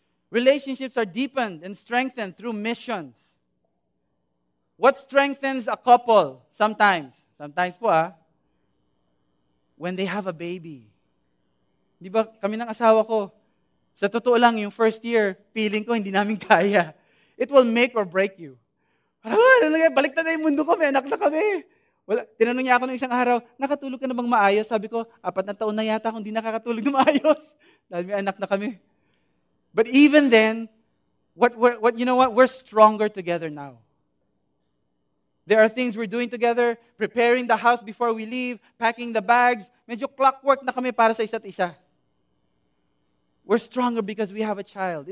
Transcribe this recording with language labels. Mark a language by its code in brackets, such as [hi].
[en] Relationships are deepened and strengthened through missions. What strengthens a couple? Sometimes po ah. When they have a baby. [tl] Di ba kami ng asawa ko, sa totoo lang, yung first year, feeling ko hindi namin kaya. [en] It will make or break you. [tl] Parang, balik na yung mundo ko, may anak na kami. Wala. Tinanong niya ako ng isang araw, nakatulog ka na bang maayos? Sabi ko, apat na taon na yata akong hindi nakakatulog na maayos. Dahil may anak na kami. [en] But even then, we're stronger together now. There are things we're doing together, preparing the house before we leave, packing the bags. [tl] Medyo clockwork na kami para sa isa't isa. [en] We're stronger because we have a child.